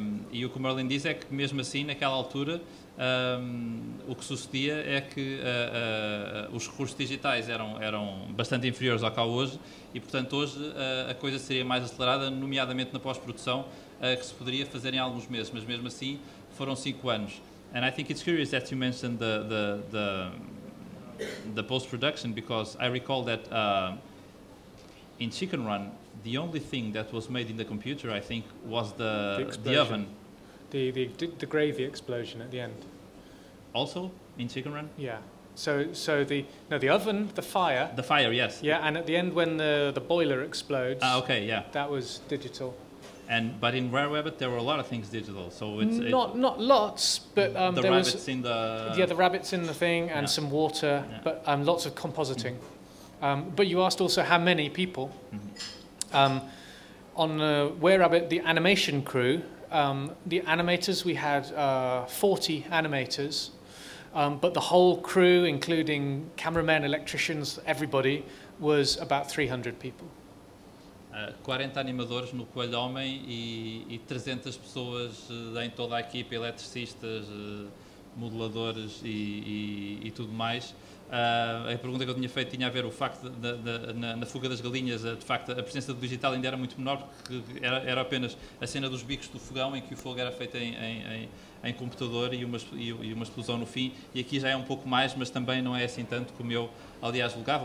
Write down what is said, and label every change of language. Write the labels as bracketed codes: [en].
[pt] E o que o Merlin diz é que, mesmo assim, naquela altura, o que sucedia é que os recursos digitais eram bastante inferiores ao que há hoje e, portanto, hoje a coisa seria mais acelerada, nomeadamente na pós-produção, que se poderia fazer em alguns meses, mas mesmo assim foram 5 anos. [en] And I think it's curious that you mentioned the post-production, because I recall that in Chicken Run, the only thing that was made in the computer, I think, was the oven. The gravy explosion at the end. Also in Chicken Run? Yeah. So the oven, the fire. The fire, yes. Yeah, and at the end when the boiler explodes. Okay, yeah. That was digital. But in Were Rabbit, there were a lot of things digital, so not lots, but there was the rabbits in the thing and yeah. some water, yeah. but lots of compositing. Mm-hmm. But you asked also how many people. Mm-hmm. On Were Rabbit, the animation crew, the animators, we had 40 animators, but the whole crew, including cameramen, electricians, everybody, was about 300 people. [pt] 40 animadores no Coelho Homem e 300 pessoas em toda a equipe, eletricistas, modeladores e tudo mais. A pergunta que eu tinha feito tinha a ver o facto na fuga das galinhas, de facto a presença do digital ainda era muito menor, porque era apenas a cena dos bicos do fogão em que o fogo era feito em computador e uma explosão no fim, e aqui já é um pouco mais, mas também não é assim tanto como eu aliás julgava.